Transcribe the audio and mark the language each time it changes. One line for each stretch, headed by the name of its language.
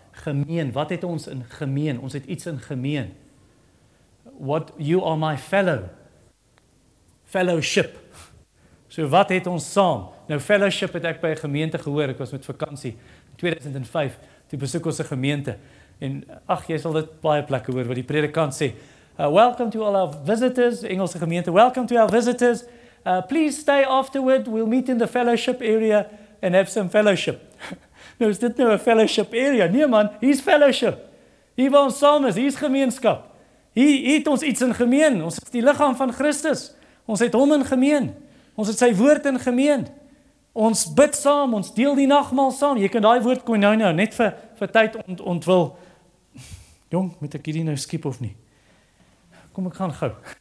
Afrikaans: Gemeen, wat het ons in gemeen? Ons het iets in gemeen.
English: What, you are my fellow. Fellowship.
Afrikaans: So wat het ons saam? Nou, fellowship het ek by gemeente gehoor. Ek was met vakantie, 2005, toe besoek ons 'n gemeente. En ach, jy sal dit baie plekke hoor, wat die predikant sê.
English: Welcome to all our visitors,
Afrikaans: Engelse gemeente,
English: welcome to our visitors. Please stay afterward, we'll meet in the fellowship area and have some fellowship.
Afrikaans: Nou is dit nou een fellowship area. Nee man, hier is fellowship. Hier waar ons saam is, hier is gemeenskap. Hier het ons iets in gemeen. Ons is die liggaam van Christus. Ons het hom in gemeen. Ons het sy woord in gemeen. Ons bid saam, ons deel die nagmaal saam. Jy kan die woord koinonia nou net vir tyd ontwil. Jong, moet ek hierdie nou skip of nie? Kom, ek gaan gauw.